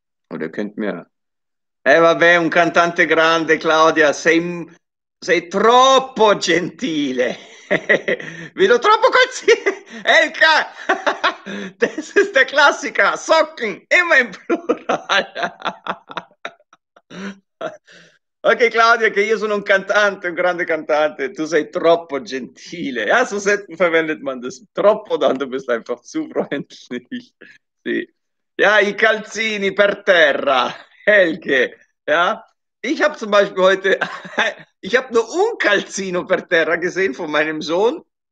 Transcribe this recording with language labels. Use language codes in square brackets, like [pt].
[de] Oder könnt mir... [it] Eh vabbè, un cantante grande, Claudia, sei troppo gentile. Vedo troppo così. [de] Elka, das ist der Klassiker. Socken, immer im Plural. [it] Ok, Claudia, che io sono un cantante, un grande cantante. Tu sei troppo gentile. [de] Ja, so selten verwendet man das. Troppo, dann du bist einfach zu freundlich. Sì. [it] Ja, i calzini per terra. Elke, ja. [de] Ich habe zum Beispiel heute, ich habe nur [it] un calzino per terra [de] gesehen von meinem Sohn.